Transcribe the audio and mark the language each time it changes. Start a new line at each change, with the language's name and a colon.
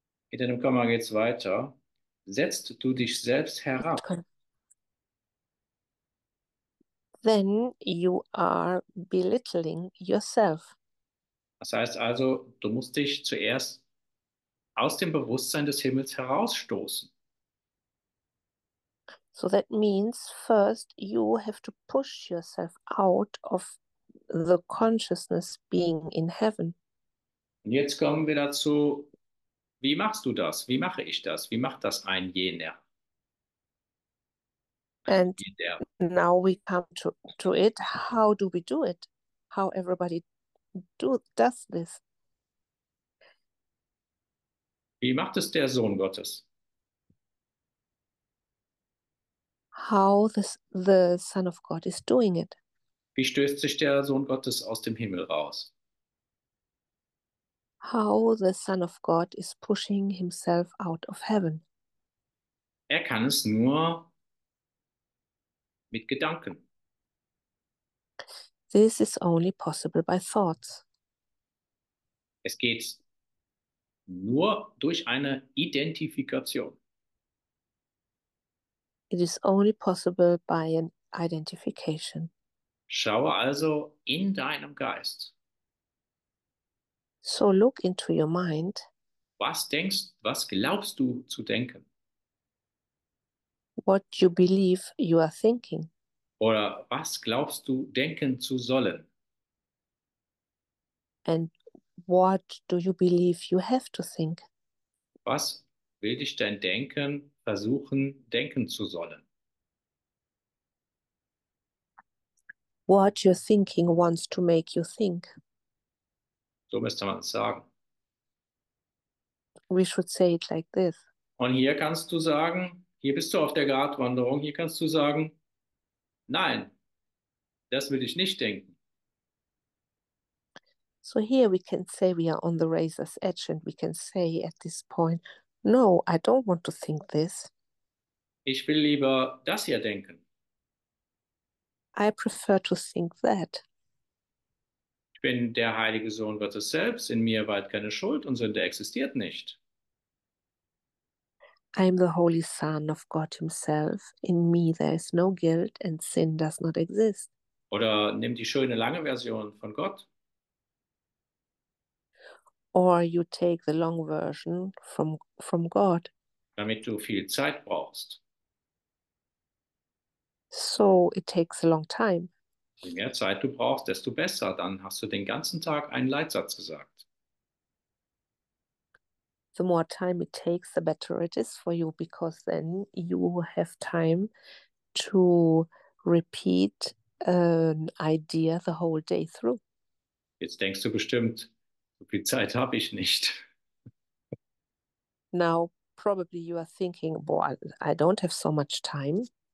German: In deinem Kammer geht's weiter. Setzt du dich selbst herab.
English: Then you are belittling yourself.
German: Das heißt also, du musst dich zuerst aus dem Bewusstsein des Himmels herausstoßen.
English: So that means first you have to push yourself out of the consciousness being in heaven.
German: Und jetzt kommen wir dazu, wie machst du das? Wie mache ich das? Wie macht das ein jener?
English: And now we come to it. How do we do it? How everybody does this?
German: Wie macht es der Sohn Gottes?
English: How the Son of God is doing it?
German: Wie stößt sich der Sohn Gottes aus dem Himmel raus?
English: How the Son of God is pushing himself out of heaven?
German: Er kann es nur mit Gedanken.
English: This is only possible by thoughts.
German: Es geht nur durch eine Identifikation.
English: It is only possible by an identification.
German: Schaue also in deinem Geist.
English: So look into your mind.
German: Was denkst, was glaubst du zu denken?
English: What you believe you are thinking.
German: Oder was glaubst du denken zu sollen?
English: And what do you believe you have to think?
German: Was will dich dein Denken versuchen, denken zu sollen?
English: What your thinking wants to make you think.
German: So müsste man es sagen.
English: We should say it like this.
German: Und hier kannst du sagen, hier bist du auf der Gratwanderung, hier kannst du sagen, nein, das will ich nicht denken.
English: So here we can say we are on the razor's edge and we can say at this point, no, I don't want to think this.
German: Ich will lieber das hier denken.
English: I prefer to think that.
German: Ich bin der heilige Sohn Gottes selbst, in mir weilt keine Schuld und Sünde existiert nicht.
English: I am the Holy Son of God himself. In me there is no guilt and sin does not exist.
German: Oder nimm die schöne lange Version von Gott.
English: Or you take the long version from God.
German: Damit du viel Zeit brauchst.
English: So it takes a long time.
German: Je mehr Zeit du brauchst, desto besser. Dann hast du den ganzen Tag einen Leitsatz gesagt.
English: The more time it takes, the better it is for you, because then you have time to repeat an idea the whole day through.
German: Jetzt denkst du bestimmt, so viel Zeit habe ich nicht.
English: Now, probably you are thinking, boah, I don't have so much time.